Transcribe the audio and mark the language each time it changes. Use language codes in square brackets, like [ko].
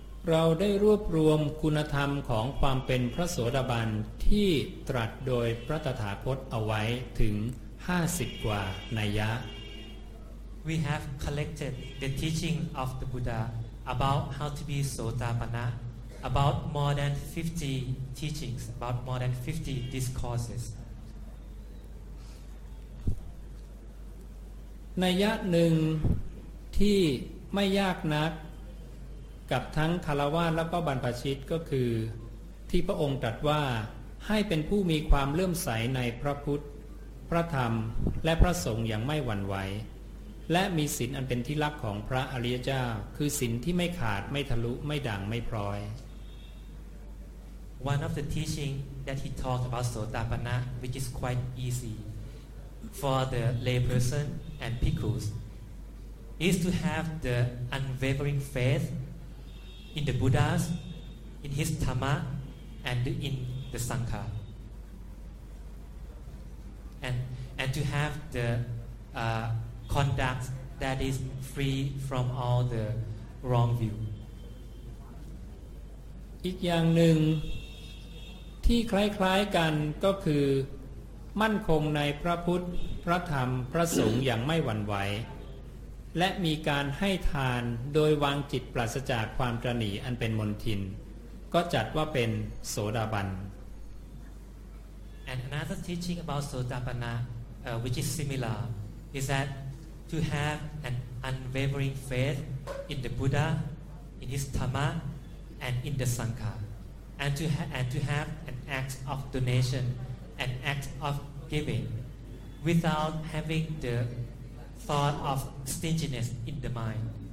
[th] เราได้รวบรวมคุณธรรมของความเป็นพระโสดาบันที่ตรัสโดยพระตถาคตเอาไว้ถึง50กว่านัยยะ [en] We have collected the teaching of the Buddha about how to be Sotapanna, about more than 50 teachings, about more than 50 discourses. [th] นัยยะหนึ่งที่ไม่ยากนักกับทั้งคารวาสแล้วก็บรรพชิตก็คือที่พระองค์ตรัสว่าให้เป็นผู้มีความเลื่อมใสในพระพุทธพระธรรมและพระสงฆ์อย่างไม่หวั่นไหวและมีศีลอันเป็นที่รักของพระอริยเจ้าคือศีลที่ไม่ขาดไม่ทะลุไม่ด่างไม่พร้อย [en] One of the teaching that he talked about Sotapanna which is quite easy for the layperson and bhikkhus is to have the unwavering faith in the Buddhas, in his Dhamma, and in the Sangha. And to have the conduct that is free from all the wrong view. [th] อีกอย่างหนึ่งที่คล้ายๆกันก็คือมั่นคงในพระพุทธพระธรรมพระสงฆ์อย่างไม่หวั่นไหวและมีการให้ทานโดยวางจิตปราศจากความตระหนี่อันเป็นมลทินก็จัดว่าเป็นโสดาบัน [en] And another teaching about Sotapanna which is similar is that to have an unwavering faith in the Buddha in his Dhamma and in the Sangha and to have an act of donationan act of giving without having the thought of stinginess in the mind.